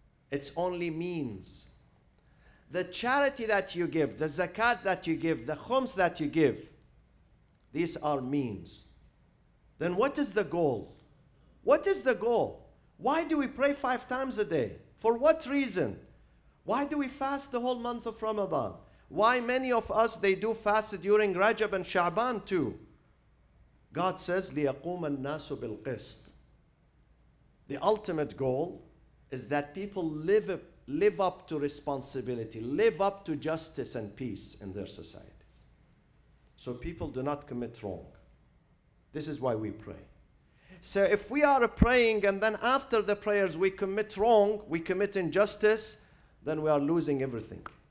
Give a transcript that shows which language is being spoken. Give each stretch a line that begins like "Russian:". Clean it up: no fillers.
English: It's only means. The charity that you give, the zakat that you give, the khums that you give, these are means. Then what is the goal? What is the goal? Why do we pray five times a day? For what reason? Why do we fast the whole month of Ramadan? Why many of us, they do fast during Rajab and Sha'ban too? God says,
Arabic: لِيَقُومَ النَّاسُ بِالْقِسْطِ.
English: The ultimate goal is that people live up to responsibility, live up to justice and peace in their societies. So people do not commit wrong. This is why we pray. So if we are praying and then after the prayers we commit wrong, we commit injustice, then we are losing everything.